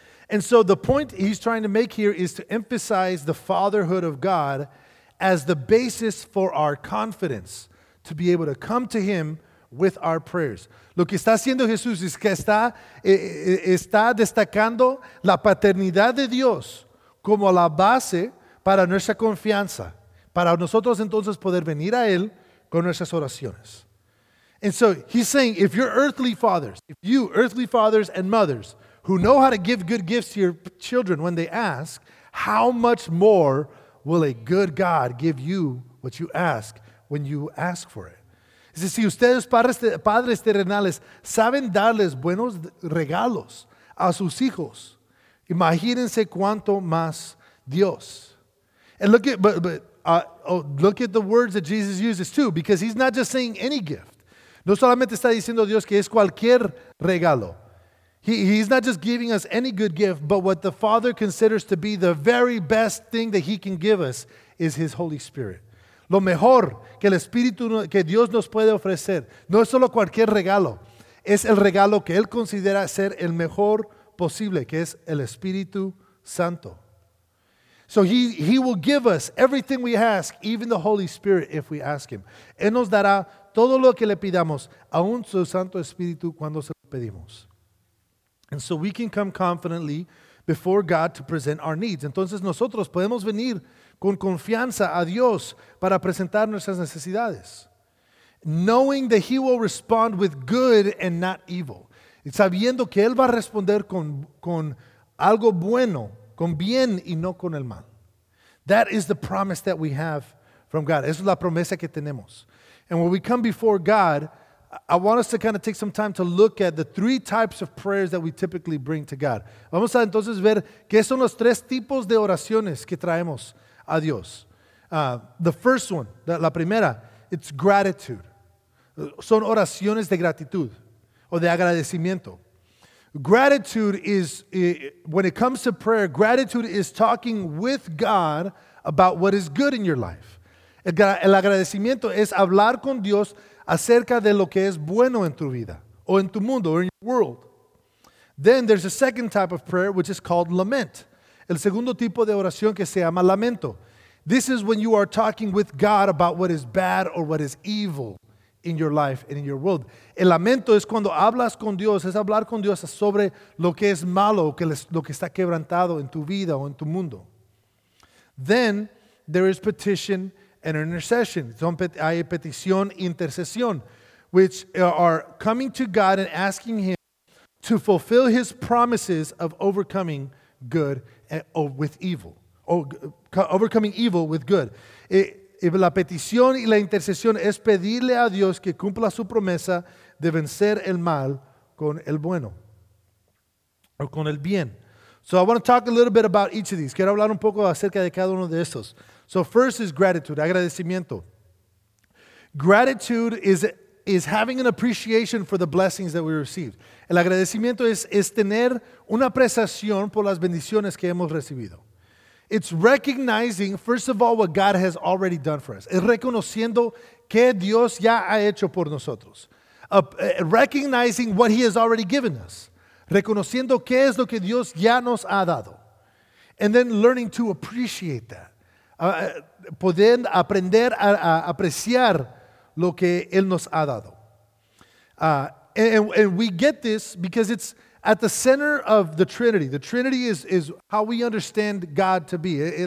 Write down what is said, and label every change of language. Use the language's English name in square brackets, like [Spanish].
[English] And so the point he's trying to make here is to emphasize the fatherhood of God as the basis for our confidence to be able to come to him with our prayers. [Spanish] Lo que está haciendo Jesús es que está destacando la paternidad de Dios como la base para nuestra confianza, para nosotros entonces poder venir a Él con nuestras oraciones. [English] And so he's saying, if your earthly fathers, if you earthly fathers and mothers who know how to give good gifts to your children when they ask, how much more will a good God give you what you ask when you ask for it? [Spanish] Es decir, si ustedes padres terrenales saben darles buenos regalos a sus hijos, imagínense cuánto más Dios. [English] And look at, look at the words that Jesus uses too, because he's not just saying any gift. [Spanish] No solamente está diciendo Dios que es cualquier regalo. [English] He's not just giving us any good gift, but what the Father considers to be the very best thing that he can give us is his Holy Spirit. [Spanish] Lo mejor que el Espíritu, que Dios nos puede ofrecer, no es solo cualquier regalo, es el regalo que él considera ser el mejor posible, que es el Espíritu Santo. [English] So he will give us everything we ask, even the Holy Spirit, if we ask him. [Spanish] Él nos dará todo lo que le pidamos, aun su Santo Espíritu, cuando se lo pedimos. [English] And so we can come confidently before God to present our needs. [Spanish] Entonces nosotros podemos venir con confianza a Dios para presentar nuestras necesidades. [English] Knowing that he will respond with good and not evil. [Spanish] Y sabiendo que él va a responder con algo bueno, con bien y no con el mal. [English] That is the promise that we have from God. [Spanish] Esa es la promesa que tenemos. [English] And when we come before God, I want us to kind of take some time to look at the three types of prayers that we typically bring to God. [Spanish] Vamos a entonces ver qué son los tres tipos de oraciones que traemos a Dios. [English] The first one, [Spanish] la primera, [English] it's gratitude. [Spanish] Son oraciones de gratitud o de agradecimiento. [English] Gratitude is, when it comes to prayer, gratitude is talking with God about what is good in your life. [Spanish] El agradecimiento es hablar con Dios acerca de lo que es bueno en tu vida o en tu mundo [English] or in your world. Then there's a second type of prayer, which is called lament. [Spanish] El segundo tipo de oración que se llama lamento. [English] This is when you are talking with God about what is bad or what is evil in your life and in your world. [Spanish] El lamento es cuando hablas con Dios, es hablar con Dios sobre lo que es malo o lo que está quebrantado en tu vida o en tu mundo. [English] Then there is petition and intercession. [Spanish] Hay petición e intercesión, [English] which are coming to God and asking him to fulfill his promises of overcoming good with evil. Overcoming evil with good. [Spanish] La petición y la intercesión es pedirle a Dios que cumpla su promesa de vencer el mal con el bueno o con el bien. [English] So I want to talk a little bit about each of these. [Spanish] Quiero hablar un poco acerca de cada uno de estos. [English] So first is gratitude, agradecimiento. Gratitude is having an appreciation for the blessings that we received. [Spanish] El agradecimiento es tener una apreciación por las bendiciones que hemos recibido. [English] It's recognizing, first of all, what God has already done for us. [Spanish] Es reconociendo que Dios ya ha hecho por nosotros. [English] Recognizing what he has already given us. [Spanish] Reconociendo qué es lo que Dios ya nos ha dado. [English] And then learning to appreciate that. [Spanish] Poder aprender a apreciar lo que Él nos ha dado. [English] And we get this because it's at the center of the Trinity. The Trinity is how we understand God to be.